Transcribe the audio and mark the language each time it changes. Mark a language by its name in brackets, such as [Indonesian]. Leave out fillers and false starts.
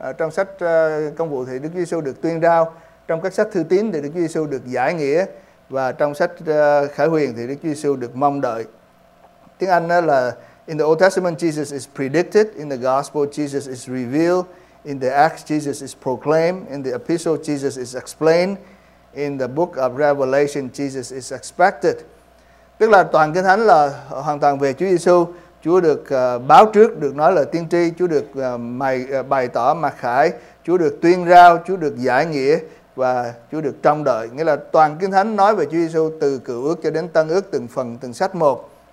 [Vietnamese] Trong sách Công Vụ thì Đức Chúa Giêsu được tuyên rao. Trong các sách Thư Tín thì Đức Chúa Giêsu được giải nghĩa. Và trong sách Khải Huyền thì Đức Chúa Giêsu được mong đợi. Tiếng Anh là [English] in the Old Testament Jesus is predicted, in the Gospel Jesus is revealed, in the Acts Jesus is proclaimed, in the Epistle Jesus is explained, in the Book of Revelation Jesus is expected. [Vietnamese] Tức là toàn Kinh Thánh là hoàn toàn về Chúa Giêsu. Chúa được báo trước, được nói là tiên tri, Chúa được bày tỏ mặc khải, Chúa được tuyên rao, Chúa được giải nghĩa và Chúa được trông đợi. Nghĩa là toàn Kinh Thánh nói về Chúa Giêsu từ Cựu Ước cho đến Tân Ước, từng phần, từng sách một.